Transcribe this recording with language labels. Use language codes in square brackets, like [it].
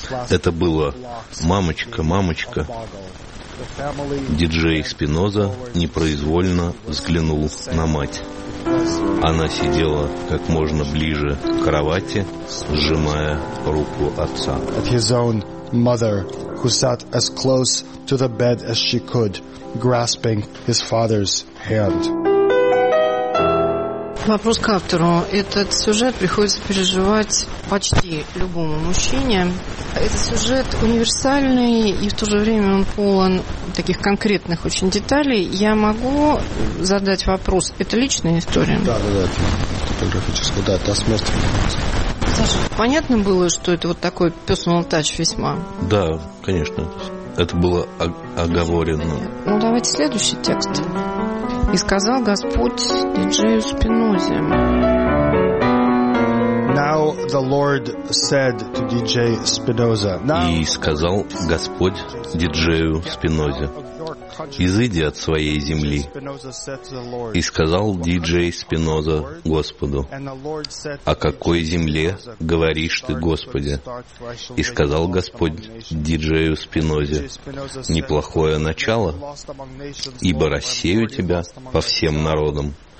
[ru] Это было «Мамочка, мамочка». Диджей Спиноза непроизвольно взглянул на мать. Она сидела как можно ближе к кровати, сжимая руку отца. [en] His own mother, who sat as close to the bed as she could, grasping his father's hand. [ru] Вопрос к автору. Этот сюжет приходится переживать почти любому мужчине. Этот сюжет универсальный, и в то же время он полон таких конкретных очень деталей. Я могу задать вопрос. Это личная история? Да, это фотографическая. Да, это смерть. Саша, понятно было, что это вот такой [en] personal touch [ru] весьма? Да, конечно. Это было оговорено. Ну, давайте следующий текст. И сказал Господь диджею Спинозе. [en] Now the Lord said to DJ Spinoza. [ru] И сказал Господь диджею Спинозе: «Изыди от своей земли». И сказал диджей Спиноза Господу: «О какой земле говоришь ты, Господи?» И сказал Господь диджею Спинозе: «Неплохое начало, ибо рассею тебя по всем народам».